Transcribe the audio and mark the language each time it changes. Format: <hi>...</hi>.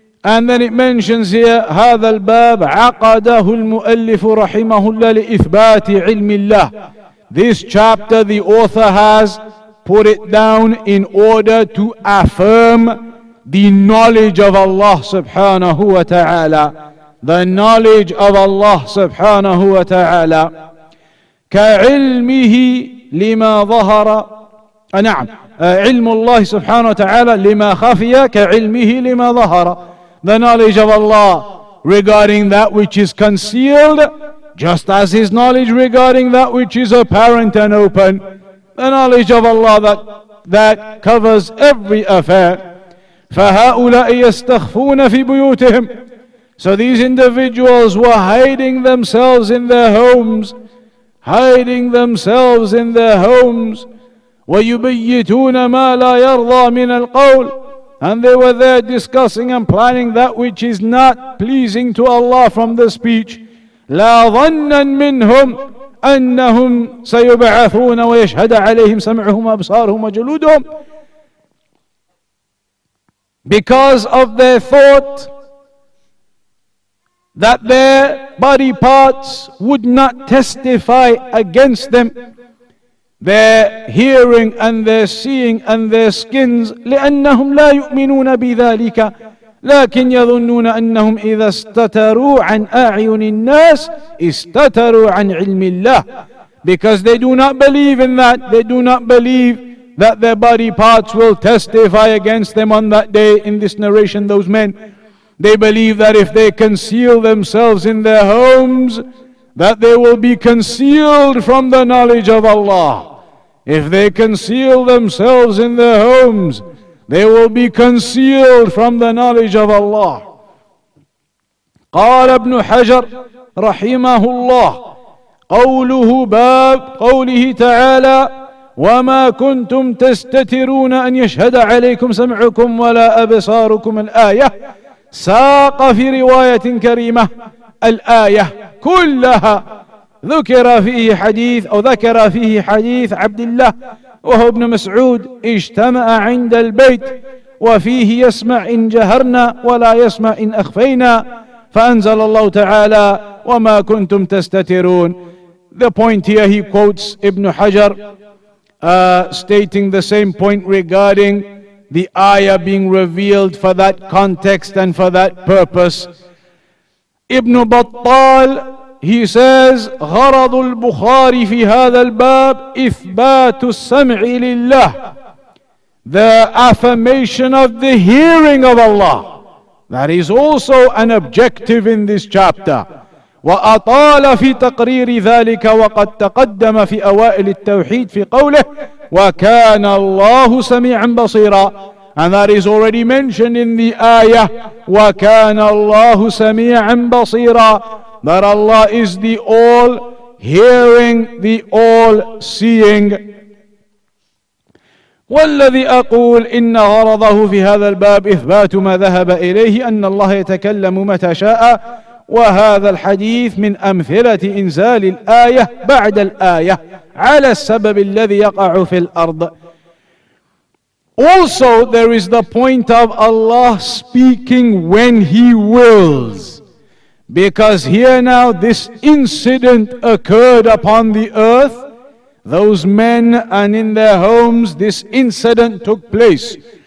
<en>And then it mentions here,</en> <ar>هذا الباب عقده المؤلف رحمه الله لإثبات علم الله.</ar> <en>This chapter the author has put it down in order to affirm the knowledge of Allah subhanahu wa ta'ala. The knowledge of Allah subhanahu wa ta'ala.</en> <ar>كعلمه لما ظهر نعم علم الله سبحانه وتعالى لما خفي كعلمه لما ظهر.</ar> <en>The knowledge of Allah regarding that which is concealed, just as his knowledge regarding that which is apparent and open. The knowledge of Allah that covers every affair.</en> <ar>فَهَؤُلَاءِ يَسْتَخْفُونَ فِي بُيُوتِهِمْ.</ar> <en>So these individuals were hiding themselves in their homes, hiding themselves in their homes.</en> <ar>وَيُبَيِّتُونَ مَا لَا يَرْضَى مِنَ الْقَوْلِ.</ar> <en>And they were there discussing and planning that which is not pleasing to Allah from the speech.</en> <ar>لَا ظَنَّا مِنْهُمْ أَنَّهُمْ سَيُبْعَثُونَ وَيَشْهَدَ عَلَيْهِمْ سَمْعُهُمْ أَبْصَارُهُمْ وَجُلُودُهُمْ.</ar> <en>Because of their thought that their body parts would not testify against them, their hearing and their seeing and their skins.</en> <ar>لأنهم لا يؤمنون بذلك لكن يظنون أنهم إذا استتروا عن أعين الناس استتروا عن علم الله.</ar> <en>Because they do not believe in that, they do not believe that their body parts will testify against them on that day. In this narration, those men, they believe that if they conceal themselves in their homes, that they will be concealed from the knowledge of Allah. If they conceal themselves in their homes, they will be concealed from the knowledge of Allah.</en> <ar>قال ابن حجر رحمه الله قوله باب قوله تعالى وما كنتم تستترون أن يشهد عليكم سمعكم ولا أبصاركم الآية ساق في رواية كريمة الآية كلها ذكر فيه حديث أو ذكر فيه حديث عبد الله وهو ابن مسعود اجتمع عند البيت وفيه يسمع إن جهرنا ولا يسمع إن أخفينا فأنزل الله تعالى وما كنتم تستترون.</ar> <en>The point here, he quotes Ibn Hajar stating the same point regarding the ayah being revealed for that context and for that purpose. Ibn Battal, he says,</en> <ar>غرض البخاري في هذا الباب إثبات السمع لله.</ar> <en>The affirmation of the hearing of Allah. That is also an objective in this chapter.</en> <ar>وأطال في تقرير ذلك وقد تقدم في أوائل التوحيد في قوله وكان الله سميعا بصيرا.</ar> <en>And that is already mentioned in the ayah</en> <ar>وكان الله سميعا بصيرا.</ar> <en>That Allah is the all hearing, the all seeing.</en> <ar>والذي أقول إن غرضه في هذا الباب إثبات ما ذهب إليه أن الله يتكلم متى شاء وهذا الحديث من أمثلة إنزال الآية بعد الآية على السبب الذي يقع في الأرض.</ar> <en>Also there is the point of Allah speaking when He wills. Because here now this incident occurred upon the earth, those men and in their homes this incident took place.</en>